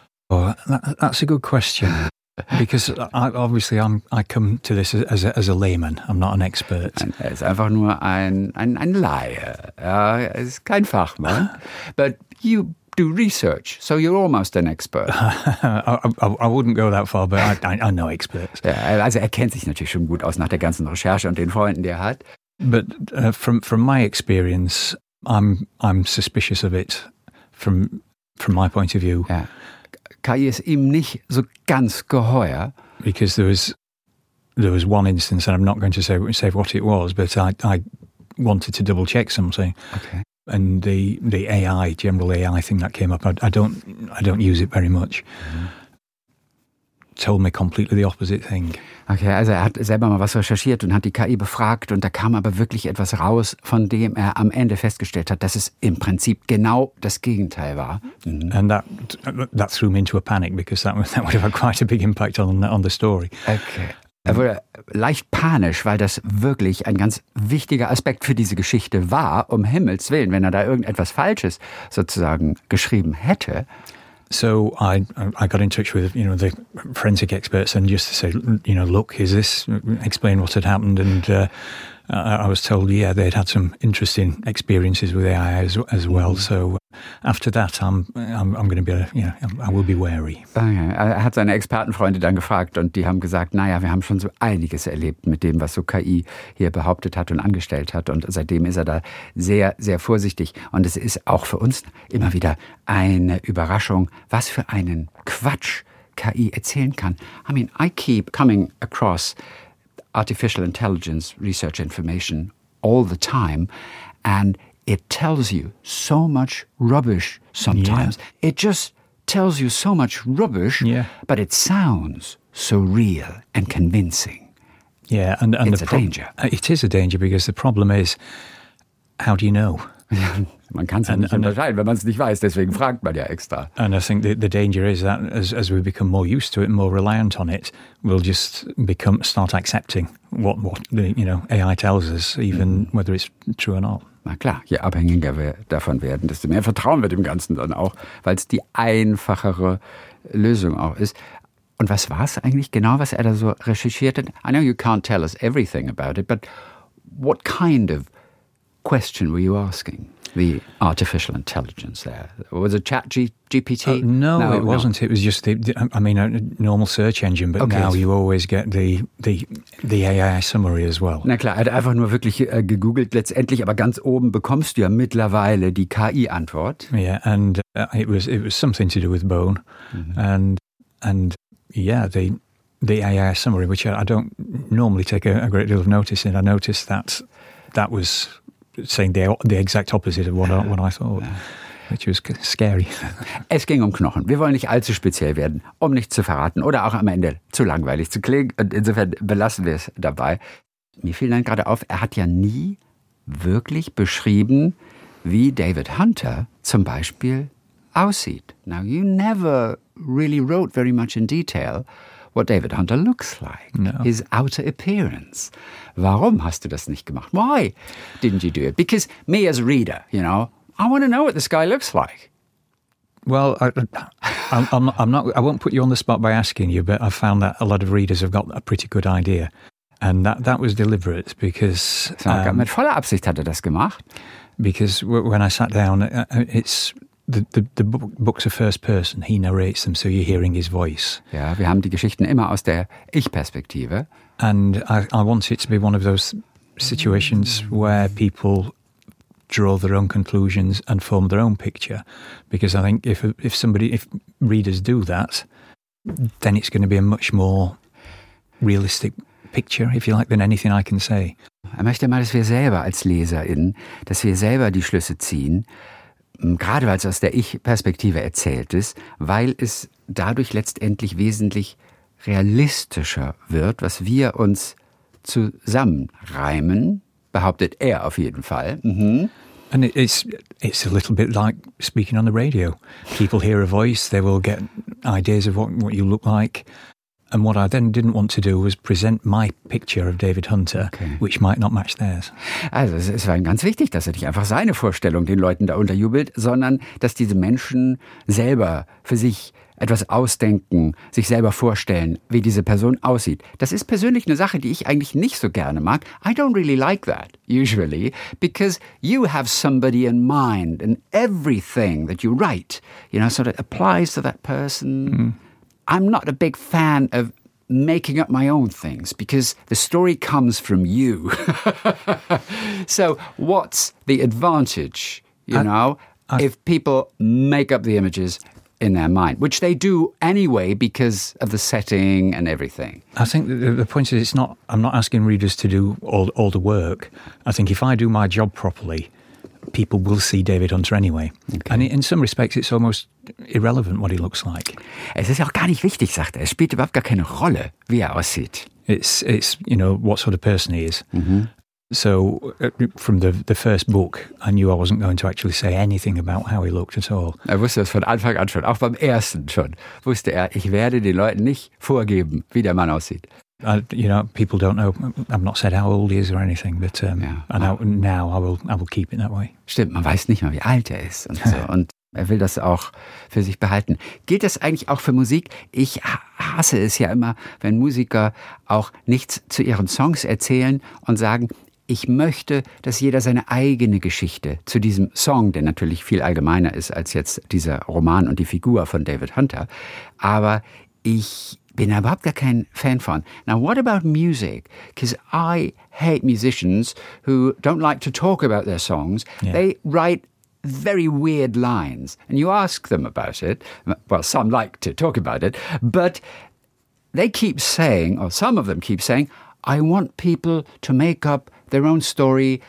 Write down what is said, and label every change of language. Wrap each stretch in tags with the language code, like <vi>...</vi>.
<en>Oh, that's a good question, because I come to this as a layman. I'm not an expert.</en> <de>Er ist einfach nur ein Laie. Er ist kein Fachmann.</de> <en>But you do research, so you're almost an expert. I wouldn't go that far, but I'm no expert.</en> <de>Ja, also kennt sich natürlich schon gut aus nach der ganzen Recherche und den Freunden, die hat.</de> <en>But from my experience, I'm suspicious of it from my point of view. Yeah.</en> <de>KI ist ihm nicht so ganz geheuer.</de> <en>Because there was one instance, and I'm not going to say what it was, but I wanted to double check something. Okay. And the AI, general AI thing that came up, I don't use it very much. Mm-hmm. Told me completely the opposite thing.</en> <de>Okay, also er hat selber mal was recherchiert und hat die KI befragt und da kam aber wirklich etwas raus, von dem er am Ende festgestellt hat, dass es im Prinzip genau das Gegenteil war. Mm-hmm.</de> <en>And that threw me into a panic, because that would have had quite a big impact on the story.</en> <de>Okay. Er wurde leicht panisch, weil das wirklich ein ganz wichtiger Aspekt für diese Geschichte war, um Himmels Willen, wenn er da irgendetwas Falsches sozusagen geschrieben hätte.</de> <en>So I got in touch with, you know, the forensic experts and just to say, you know, look, is this, explain what had happened. And I was told, yeah, they'd had some interesting experiences with AI as well. Mm-hmm. So after that, I'm going to be, you know, I will be wary. Okay.</en> <de>Er hat seine Expertenfreunde dann gefragt und die haben gesagt, naja, wir haben schon so einiges erlebt mit dem, was so KI hier behauptet hat und angestellt hat. Und seitdem ist er da sehr, sehr vorsichtig. Und es ist auch für uns immer wieder eine Überraschung, was für einen Quatsch KI erzählen kann.</de> <en>I mean, I keep coming across artificial intelligence research information all the time, and it tells you so much rubbish sometimes. Yeah. It just tells you so much rubbish, yeah. But it sounds so real and convincing. Yeah, and it's a danger. It is a danger, because the problem is, how do you know?</en> <de>Man kann es ja nicht unterscheiden, wenn man es nicht weiß. Deswegen fragt man ja extra.</de> <en>And I think the danger is that as we become more used to it and more reliant on it, we'll just start accepting what the, you know, AI tells us, even whether it's true or not.</en> <de>Na klar, je abhängiger wir davon werden, desto mehr vertrauen wir dem Ganzen dann auch, weil es die einfachere Lösung auch ist. Und was war es eigentlich genau, was er da so recherchiert hat?</de> <en>I know you can't tell us everything about it, but what kind of question were you asking the artificial intelligence there? Was it ChatGPT? It wasn't. It was just a normal search engine, but okay. Now you always get the AI summary as well.</en> <de>Na klar, er hat einfach nur wirklich gegoogelt letztendlich, aber ganz oben bekommst du ja mittlerweile die KI-Antwort.</de> <en>Yeah, and it was something to do with bone. Mm-hmm. And yeah, the AI summary, which I don't normally take a great deal of notice in, I noticed that was saying the exact opposite of what I thought, which was scary.</en> <de>Es ging um Knochen. Wir wollen nicht allzu speziell werden, um nichts zu verraten oder auch am Ende zu langweilig zu klingen. Und insofern belassen wir es dabei. Mir fiel dann gerade auf, er hat ja nie wirklich beschrieben, wie David Hunter zum Beispiel aussieht.</de> <en>Now, you never really wrote very much in detail what David Hunter looks like, no. His outer appearance.</en> <de>Warum hast du das nicht gemacht?</de> <en>Why didn't you do it? Because me as a reader, you know, I want to know what this guy looks like. Well, I'm not. I won't put you on the spot by asking you, but I've found that a lot of readers have got a pretty good idea, and that was deliberate because.</en> <de>Mit voller Absicht hat er das gemacht.</de> <en>Because when I sat down, it's the books are first person. He narrates them, so you're hearing his voice.</en> <de>Ja, wir haben die Geschichten immer aus der Ich-Perspektive.</de> <en>And I want it to be one of those situations where people draw their own conclusions and form their own picture, because I think if readers do that, then it's going to be a much more realistic picture, if you like, than anything I can say.</en> <de>Er möchte mal, dass wir selber als LeserInnen, dass wir selber die Schlüsse ziehen, gerade weil es aus der Ich-Perspektive erzählt ist, weil es dadurch letztendlich wesentlich realistischer wird, was wir uns zusammenreimen. Behauptet er auf jeden Fall. Mm-hmm.</de> <en>And it's a little bit like speaking on the radio. People hear a voice, they will get ideas of what you look like. And what I then didn't want to do was present my picture of David Hunter, okay, which might not match theirs.</en> <de>Also es war ihm ganz wichtig, dass er nicht einfach seine Vorstellung den Leuten da unterjubelt, sondern dass diese Menschen selber für sich etwas ausdenken, sich selber vorstellen, wie diese Person aussieht. Das ist persönlich eine Sache, die ich eigentlich nicht so gerne mag.</de> <en>I don't really like that, usually, because you have somebody in mind and everything that you write, you know, sort of applies to that person. Mm-hmm. I'm not a big fan of making up my own things, because the story comes from you. So what's the advantage, if people make up the images in their mind, which they do anyway because of the setting and everything. I think the point is, I'm not asking readers to do all the work. I think if I do my job properly, people will see David Hunter anyway. Okay. And in some respects, it's almost irrelevant what he looks like.</en> <de>Es ist auch gar nicht wichtig, sagt er. Es spielt überhaupt gar keine Rolle, wie er aussieht.</de> <en>It's you know, what sort of person he is. Mm-hmm. So, from the first book, I knew I wasn't going to actually say anything about how he looked at all.</en> <de>Er wusste das von Anfang an schon, auch beim ersten schon, wusste er, ich werde den Leuten nicht vorgeben, wie der Mann aussieht.</de> <en>People don't know, I've not said how old he is or anything, but I will keep it that way.</en> <de>Stimmt, man weiß nicht mal, wie alt er ist und so. Und er will das auch für sich behalten. Gilt das eigentlich auch für Musik? Ich hasse es ja immer, wenn Musiker auch nichts zu ihren Songs erzählen und sagen, ich möchte, dass jeder seine eigene Geschichte zu diesem Song, der natürlich viel allgemeiner ist als jetzt dieser Roman und die Figur von David Hunter. Aber ich bin da überhaupt gar kein Fan von.</de> <en>Now, what about music? Because I hate musicians who don't like to talk about their songs. Yeah. They write very weird lines. And you ask them about it. Well, some like to talk about it. But they keep saying, or some of them keep saying, I want people to make up their own story.</en>